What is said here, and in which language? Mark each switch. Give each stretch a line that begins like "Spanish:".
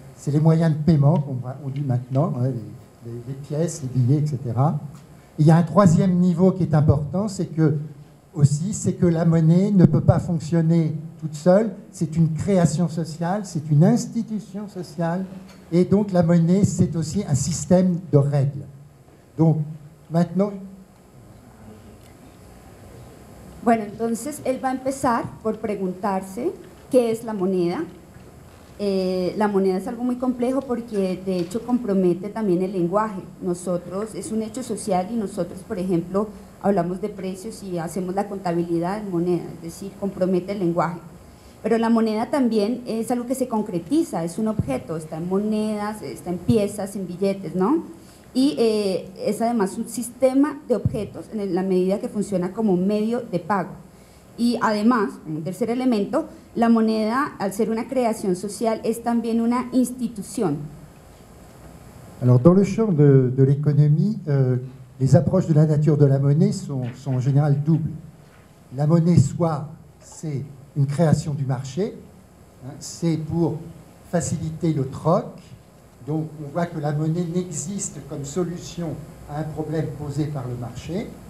French: C'est les moyens de paiement qu'on dit maintenant, hein, les pièces, les billets, etc. Et il y a un troisième niveau qui est important, c'est que aussi, c'est que la monnaie ne peut pas fonctionner toute seule. C'est une création sociale, c'est une institution sociale. Et donc la monnaie, c'est aussi un système de règles. Donc maintenant...
Spanish: Bueno, entonces él va a empezar por preguntarse qué es la moneda. La moneda es algo muy complejo porque de hecho compromete también el lenguaje. Nosotros, es un hecho social y nosotros, por ejemplo, hablamos de precios y hacemos la contabilidad en moneda, es decir, compromete el lenguaje. Pero la moneda también es algo que se concretiza, es un objeto, está en monedas, está en piezas, en billetes, ¿no? Y es además un sistema de objetos en la medida que funciona como medio de pago. Y además, un tercer elemento, la moneda, al ser una creación social, es también una institución.
French: Alors, dans le champ de l'économie, les approches de la nature de la monnaie sont en général doubles. La monnaie, soit c'est une création du marché, hein, c'est pour faciliter le troc. Donc on voit que la monnaie n'existe comme solution à un problème posé par le marché.